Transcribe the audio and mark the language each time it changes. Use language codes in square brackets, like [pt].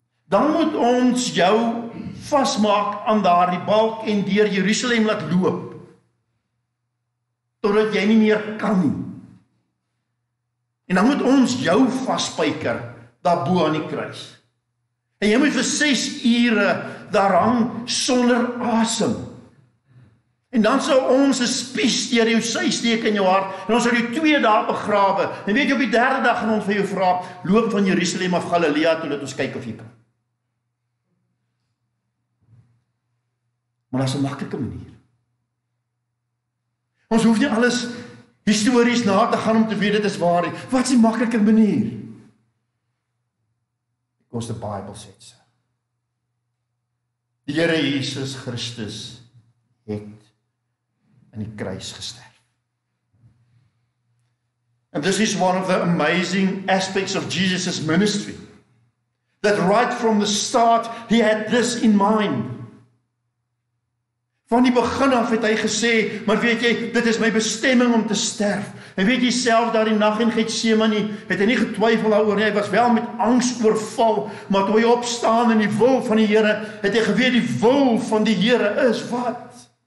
[af] Dan moet ons jou vasmaak aan daardie balk, en deur Jerusalem laat loop, totdat jy nie meer kan nie. En dan moet ons jou vasspijker, daarbo aan die kruis. En jy moet vir 6 ure daar hang sonder asem. En dan sal ons 'n spies deur jou sy steek in jou hart, en ons sal jou 2 dae begrawe. En weet jy, op die 3de dag gaan ons vir jou vra, loop van Jerusalem af Galilea, toe dat ons kyk of jy kan. Maar dit is 'n maklike manier. Ons hoef nie alles histories na te gaan om te weet, dit is waar. Wat is die maklike manier? [en] Because the Bible says so. [af] Die Here Jesus Christus het in die kruis gesterf. [en] And this is one of the amazing aspects of Jesus' ministry. That right from the start, he had this in mind. [af] Van die begin af het hy gesê, maar weet jy, dit is my bestemming om te sterf. En weet jy self, daar die nacht in Getsemane, het hy nie getwyfel daaroor nie, hy was wel met angs oorval, maar toe hy opstaan in die wil van die Here, het hy geweet die wil van die Here is wat?